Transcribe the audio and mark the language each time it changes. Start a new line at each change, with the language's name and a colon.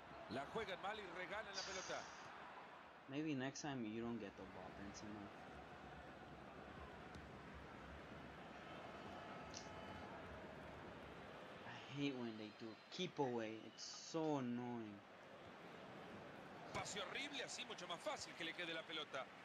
Spanish: La juegan mal y regalan la pelota.
English: Maybe next time you don't get the ball, Benzema. I hate when they do keep away. It's so annoying.
Spanish: Pase horrible, así mucho más fácil que le quede la pelota.